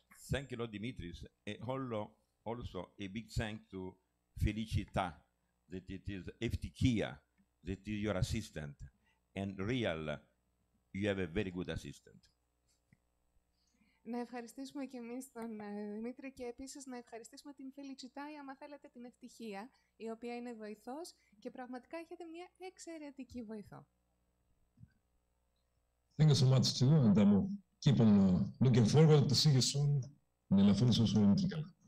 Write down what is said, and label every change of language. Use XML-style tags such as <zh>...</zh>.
<en>Thank you, Dimitris. Also a big thank to Felicita, that it is Eftikia, that is your assistant. And real, you have a very good assistant.</en> <el>Να ευχαριστήσουμε και εμείς τον Δημήτρη και επίσης να ευχαριστήσουμε την Φελιτσιτά, ή άμα θέλετε την Ευτυχία, η οποία είναι βοηθός και πραγματικά έχετε μια εξαιρετική βοηθό.</el> <en>Thank you so much to you, and I'm keeping looking forward to see you soon in Elafonisos Eco.</en>